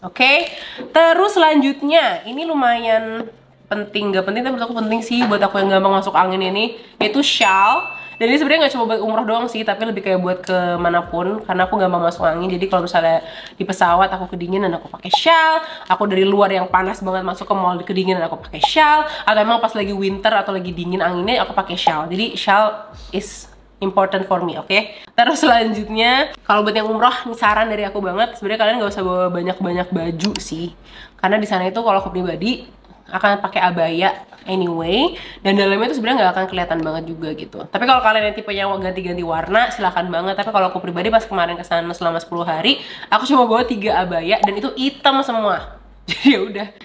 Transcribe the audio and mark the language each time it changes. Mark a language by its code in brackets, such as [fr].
[id] Oke, terus selanjutnya, ini lumayan penting, gak penting tapi menurut aku penting sih buat aku yang gampang masuk angin ini, yaitu shawl. Dan ini sebenarnya gak cuma buat umroh doang sih, tapi lebih kayak buat kemanapun, karena aku gampang masuk angin. Jadi kalau misalnya di pesawat aku kedinginan, aku pakai shawl. Aku dari luar yang panas banget masuk ke mall kedinginan, aku pakai shawl. Atau emang pas lagi winter atau lagi dingin anginnya, aku pakai shawl. Jadi [en] shawl is important for me, oke? Okay? [id] Terus selanjutnya, kalau buat yang umroh, saran dari aku banget, sebenarnya kalian nggak usah bawa banyak-banyak baju sih, karena di sana itu kalau aku pribadi akan pakai abaya anyway, dan dalamnya itu sebenarnya nggak akan kelihatan banget juga gitu. Tapi kalau kalian yang tipenya mau ganti-ganti warna, silahkan banget. Tapi kalau aku pribadi pas kemarin kesana selama 10 hari, aku cuma bawa 3 abaya dan itu hitam semua. Jadi ya udah.